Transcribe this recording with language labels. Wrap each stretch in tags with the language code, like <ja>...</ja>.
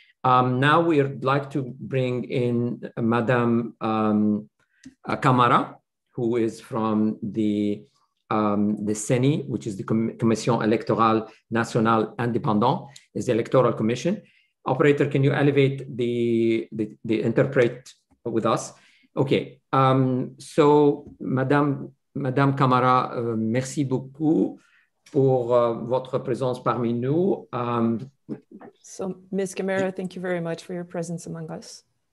<en>Now we'd like to bring in Madame Camara, who is from the CENI, which is the Commission Electorale Nationale Indépendante, is the Electoral Commission. Operator, can you elevate the interpret with us? Okay, so</en> <fr>Madame Camara, merci beaucoup pour votre présence parmi nous.</fr> <en>So Ms. Camara, thank you very much for your presence among us.</en>